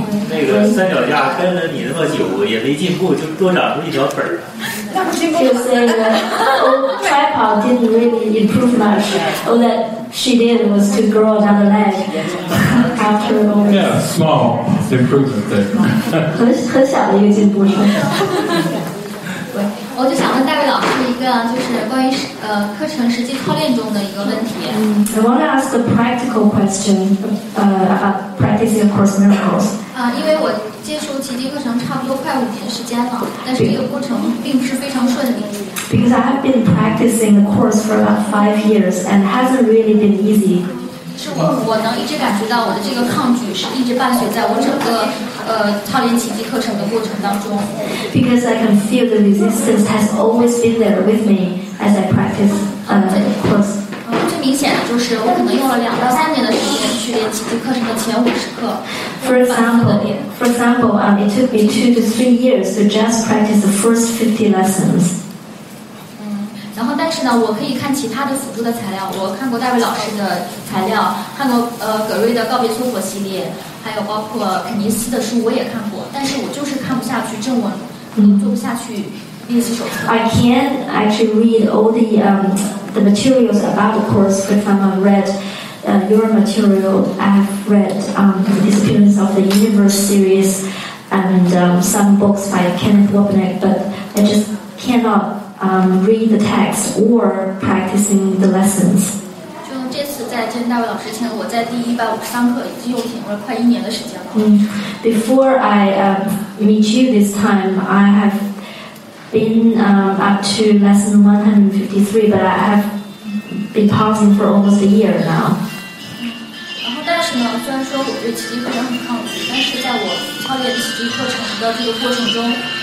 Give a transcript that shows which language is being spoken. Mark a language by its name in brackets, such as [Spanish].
[Chinese] 那个三脚架跟了你那么久，也没进步，就多长出一条腿儿。那不进步。 [English] Just saying, the old tripod didn't really improve much. All that she did was to grow another leg after all. Yeah, small improvement. [Chinese] 很小的一个进步，是吧？我就想问戴维老师一个，就是关于课程实际操练中的一个问题。 [English] I want to ask a practical question about practicing of course miracles. [Chinese] 因为我接触奇迹课程差不多快五年时间了，但是这个过程并不是非常顺利。 [English] Because I have been practicing the course for about 5 years and hasn't really been easy. [Chinese] 是我能一直感觉到我的这个抗拒是一直伴随在我整个。 [English] Because I can feel the resistance has always been there with me as I practice the course. [Chinese] 最明显的就是我可能用了2到3年的时间去练奇迹课程的前50课。 [English] For example, it took me 2 to 3 years to just practice the first 50 lessons. [Chinese] 然后，但是呢，我可以看其他的辅助的材料。我看过戴维老师的材料，看过葛瑞的告别娑婆系列，还有包括肯尼斯的书，我也看过。但是我就是看不下去，正文，做不下去。 [English] I can actually read all the materials about the course. For example, I read your material. I've read Disappearance of the Universe series and some books by Kenneth Wapnick, but I just cannot read the text or practicing the lessons. [Chinese] 在见大卫老师前，我在第一百五十三课已经用停了快一年的时间了。 [English] Before I meet you this time, I have been up to lesson 153, but I have been pausing for almost a year now. [Chinese] 然后但是呢，虽然说我对奇迹课程很抗拒，但是在我超越奇迹课程的这个过程中。